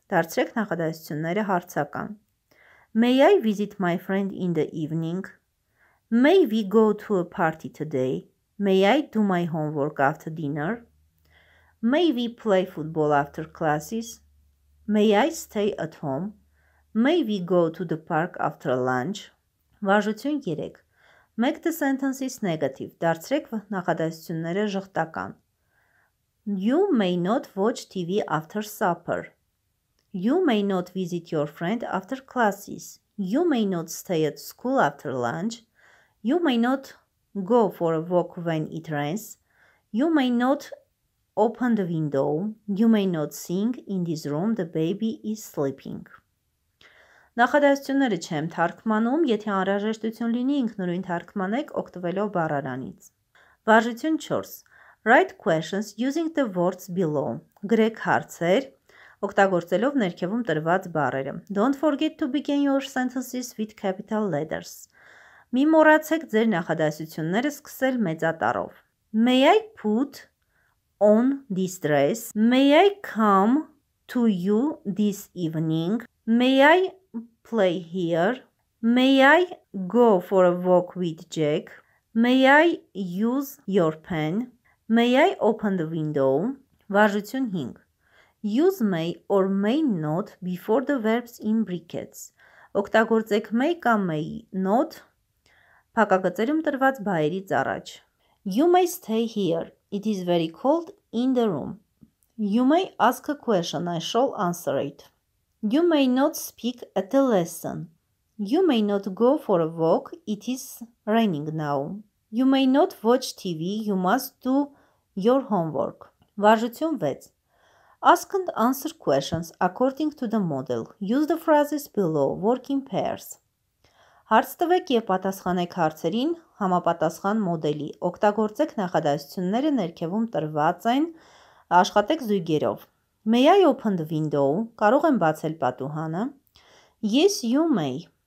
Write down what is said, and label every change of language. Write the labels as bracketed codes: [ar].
[hy] Դարձրեք նախադասությունները հարցական. [en] May I visit my friend in the evening? May we go to a party today? May I do my homework after dinner? May we play football after classes? May I stay at home? May we go to the park after lunch? [hy] Վարժություն 3. [en] Make the sentences negative. [hy] Դարձրեք նախադասությունները ժխտական. [en] You may not watch TV after supper. You may not visit your friend after classes. You may not stay at school after lunch. You may not go for a walk when it rains. You may not open the window. You may not sing in this room. The baby is sleeping. [hy] Նախադասությունները չեմ թարգմանում, եթե անհրաժեշտություն լինի, ինքնուրույն թարգմանեք օգտվելով բառարանից։ Վարժություն 4. [en] Write questions using the words below. [hy] Գրեք հարցեր օգտագործելով ներքևում տրված բառերը. [en] Don't forget to begin your sentences with capital letters. [hy] Մի մոռացեք ձեր նախադասությունները սկսել մեծատառով. [en] May I put on this dress? May I come to you this evening? May I play here? May I go for a walk with Jack? May I use your pen? May I open the window? [hy] Վարժություն 5. [en] Use may or may not before the verbs in brackets. [hy] Օգտագործեք may կամ may not փակագծերում տրված բայերից առաջ. [en] You may stay here. It is very cold in the room. You may ask a question. I shall answer it. You may not speak at a lesson. You may not go for a walk. It is raining now. You may not watch TV. You must do your homework. [hy] Վարժություն 6. [en] Ask and answer questions according to the model. Use the phrases below. Work in pairs. [hy] Հարց տվեք և պատասխանեք հարցերին համապատասխան մոդելի. Օգտագործեք նախադասությունները ներքևում տրված այն աշխատեք զույգերով։ [en] May I open the window? [hy] Կարող եմ բացել պատուհանը։ [en] Yes, you may.